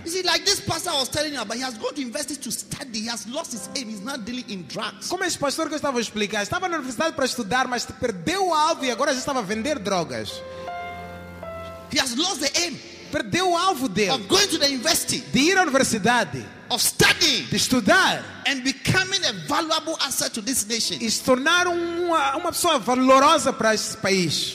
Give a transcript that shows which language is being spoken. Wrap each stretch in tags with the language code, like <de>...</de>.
<en>You see, like this pastor I was telling you about, he has gone to university to study. He has lost his aim. He's not dealing in drugs.</en> <pt>Como esse pastor que eu estava a explicar, estava na universidade para estudar, mas perdeu o alvo e agora já estava a vender drogas.</pt> <en>He has lost the aim.</en> <pt>Perdeu o alvo dele.</pt> <en>Of going to the university.</en> <pt>De ir à universidade.</pt> <en>Of studying.</en> <pt>De estudar.</pt> <en>And becoming a valuable asset to this nation.</en> <pt>E se tornar uma pessoa valorosa para este país.</pt>